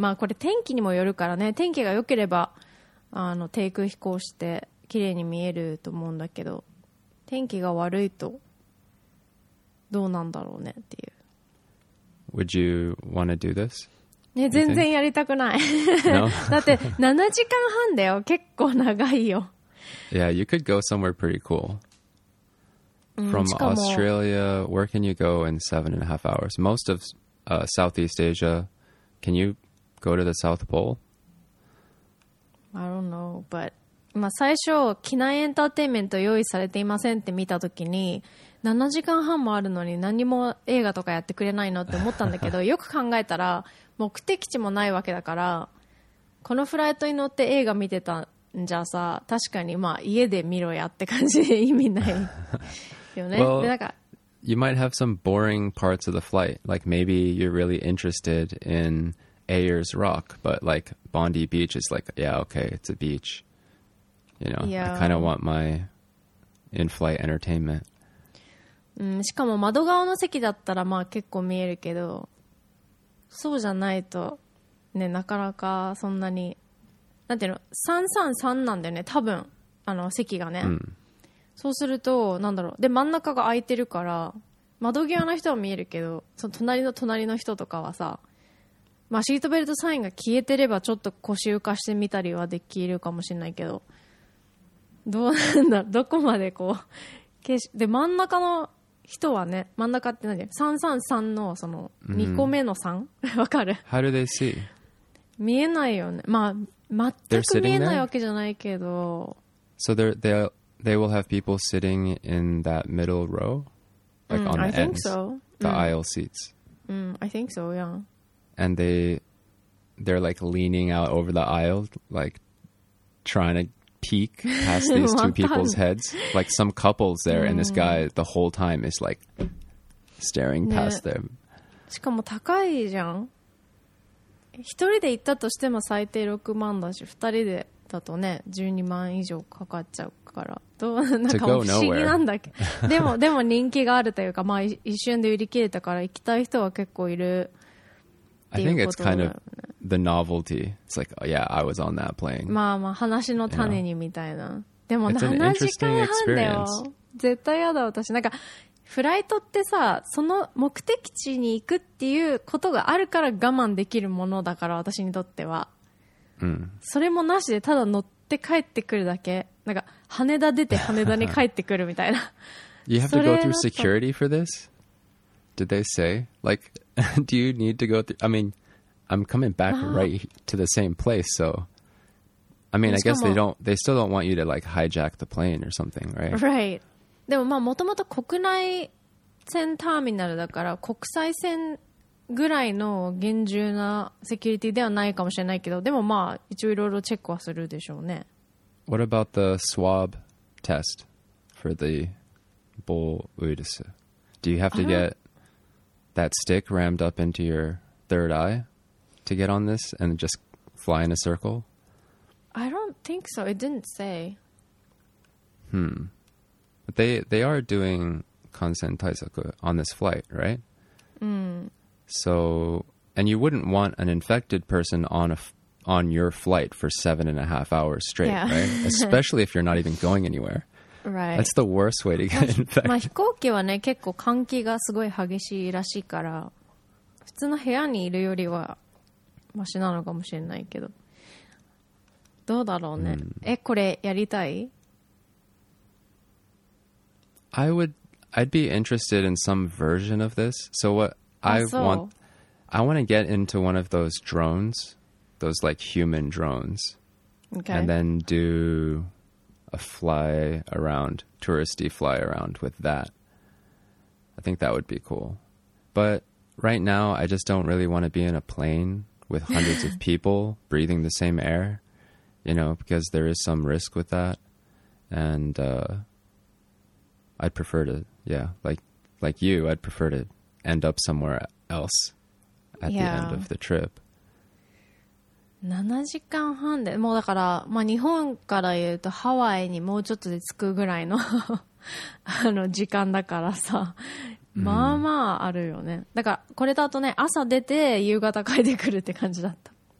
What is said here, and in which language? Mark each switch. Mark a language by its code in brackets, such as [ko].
[ja] まあこれ天気にもよるからね、天気が良ければあの低空飛行して綺麗に見えると思うんだけど、天気が悪いとどうなんだろうねっていう。 [en] Would you want to do this? [ja] ね、全然やりたくない、 [en] no? [ja] だって7時間半だよ、結構長いよ。 [en] Yeah, you could go somewhere pretty cool. From Australia, where can you go in 7.5 hours? Most of、Southeast Asia, can you go to the South Pole? I don't know, but... [ja] まあ最初、機内エンターテインメント用意されていませんって見たときに、7時間半もあるのに何も映画とかやってくれないのって思ったんだけど、よく考えたら、目的地もないわけだから、このフライトに乗って映画見てたんじゃさ、確かにまあ家で見ろやって感じで意味ないよね。 [en] Well, [ja] なんか [en] you might have some boring parts of the flight. Like maybe you're really interested inAyers Rock, but like Bondi Beach is like, yeah, okay, it's a beach. You know,、 yeah. I kind of want my in-flight entertainment. [ja] しかも窓側の席だったらまあ結構見えるけど、そうじゃないとね、なかなかそんなに、なんていうの、333なんだよね、多分あの席がね、うん、そうするとなんだろう、で真ん中が空いてるから窓際の人は見えるけど、その隣の隣の人とかはさ、まあ、シートベルトサインが消えてればちょっと腰浮かしてみたりはできるかもしれないけど、どうなんだ、どこまでこうで真ん中の人はね、真ん中って何、333のその2個目の3、mm-hmm. わかる、 [en] How do they see? [ja] 見えないよね、まあ全く見えないわけじゃないけど、 [en] So they're, they're, They will have people sitting in that middle row, like on the ends. I think so. The aisle seats. I think so, yeah. And they're like leaning out over the aisle, like trying to peek past these two people's heads. Like some couples there, and this guy the whole time is like staring past them. [ja] しかも高いじゃん。一人で行ったとしても最低6万だし、二人でだとね、12万以上かかっちゃうから。どうなんか不思議なんだっけ。でも人気があるというか、まあ一瞬で売り切れたから行きたい人は結構いるっ [en] ていうことだよね。 I think it's kind of the novelty. It's like, yeah, I was on that plane. [ja] まあまあ話の種にみたいな。でも7時間半だよ。絶対やだ私。なんか、フライトってさ、その目的地に行くっていうことがあるから我慢できるものだから、私にとっては。それもなしでただ乗って帰ってくるだけ。なんか、羽田出て羽田に帰ってくるみたいな。 [en] You have to go through security for this? Did they say? Like, do you need to go through? I mean, I'm coming back right to the same place, so... I mean, I guess they still don't want you to, like, hijack the plane or something, right? Right. [ja] でもまあもともと国内線ターミナルだから国際線ぐらいの厳重なセキュリティではないかもしれないけどでもまあ一応いろいろチェックはするでしょうね。 [en] What about the swab test for the bull ウイルス? Do you have to get that stick rammed up into your third eye to get on this and just fly in a circle? I don't think so. It didn't say. But they are doing [ja] 感染対策 [en] on this flight, right? So, and you wouldn't want an infected person on your flight for 7.5 hours straight, yeah. right? Especially if you're not even going anywhere. Right. That's the worst way to get infected. [ja] まあ飛行機はね、結構換気がすごい激しいらしいから、普通の部屋にいるよりはマシなのかもしれないけど。どうだろうね。え、これやりたい? [en] I'd be interested in some version of this. So what I want to get into one of those drones, those like human drones, okay. and then do a fly around, touristy fly around with that. I think that would be cool. But right now, I just don't really want to be in a plane with hundreds of people breathing the same air, you know, because there is some risk with that. And, I'd prefer to, yeah, like you, I'd prefer to end up somewhere else at the end of the trip. [ja] 7時間半で、もうだから、まあ日本から言うとハワイにもうちょっとで着くぐらいの あの時間だからさ、まあまああるよね。だからこれだとね、朝出て夕方帰ってくるって感じだった。